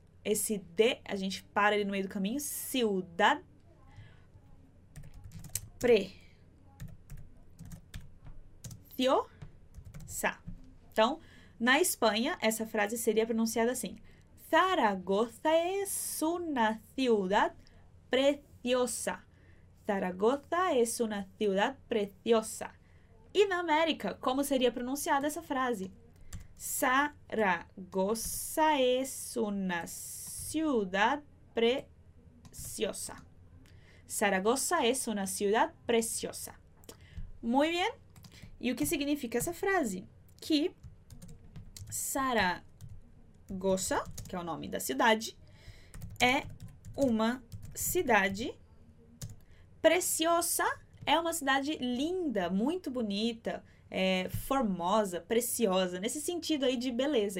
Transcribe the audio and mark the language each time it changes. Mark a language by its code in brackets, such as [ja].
[pt] Esse de a gente para ele no meio do caminho, ciudad pre tio sa. Então, na Espanha, essa frase seria pronunciada assim. [es] Zaragoza es una ciudad preciosa. Zaragoza es una ciudad preciosa. [pt] E na América, como seria pronunciada essa frase? [es] Zaragoza es una ciudad preciosa. Zaragoza es una ciudad preciosa. Muy bien. [pt] E o que significa essa frase? Que Zaragoza, que é o nome da cidade, é uma cidade preciosa, é uma cidade linda, muito bonita, é formosa, preciosa, nesse sentido aí de beleza.